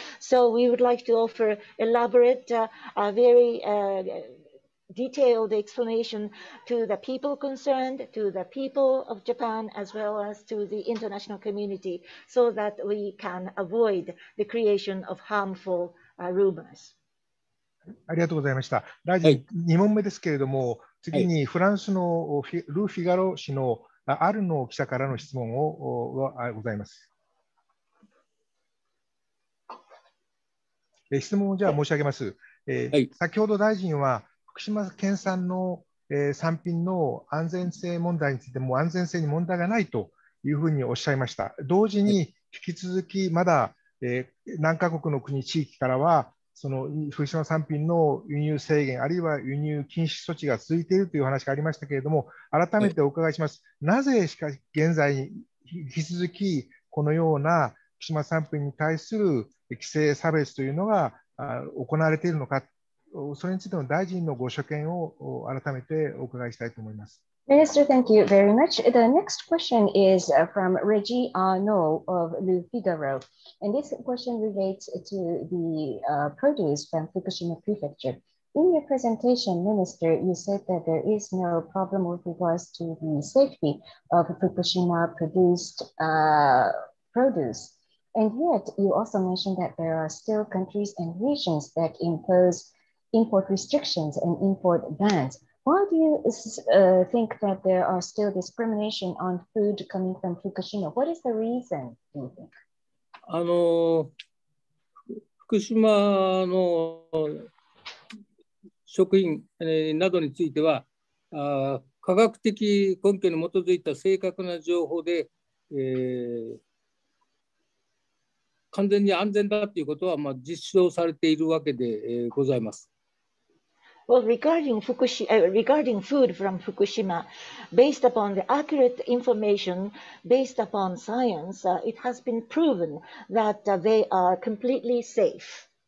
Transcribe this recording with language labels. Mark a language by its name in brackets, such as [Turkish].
[English] So we would like to offer elaborate, very detailed explanation to the people concerned, to the people of Japan, as well as to the international community, so that we can avoid the creation of harmful rumors. [Japanese] ありがとうございました。大臣、はい、2問目ですけれども、次にフランスのルー・フィガロ氏のアルノ記者からの質問がございます。質問をじゃあ申し上げます、はい、先ほど大臣は福島県産の産品の安全性問題についても安全性に問題がないというふうにおっしゃいました。同時に引き続きまだ何カ国の国地域からはその福島産品の輸入制限あるいは輸入禁止措置が続いているという話がありましたけれども、改めてお伺いします。なぜしか現在に引き続きこのような福島産品に対する規制差別というのが行われているのか、それについての大臣のご所見を改めてお伺いしたいと思います。 [English] Minister, thank you very much. The next question is from Reggie Arnault of Le Figaro, and this question relates to the produce from Fukushima Prefecture. In your presentation, Minister, you said that there is no problem with regards to the safety of Fukushima produced produceAnd yet, you also mentioned that there are still countries and regions that impose import restrictions and import bans. Why do you think that there are still discrimination on food coming from Fukushima? What is the reason, do you think? [Japanese] 福島の食品などについては、科学的根拠に基づいた正確な情報で、完全に安全だということは、まあ、実証されているわけで、ございます。 [English] Well, regarding food from Fukushima, based upon the accurate information, based upon science, it has been proven that they are completely safe.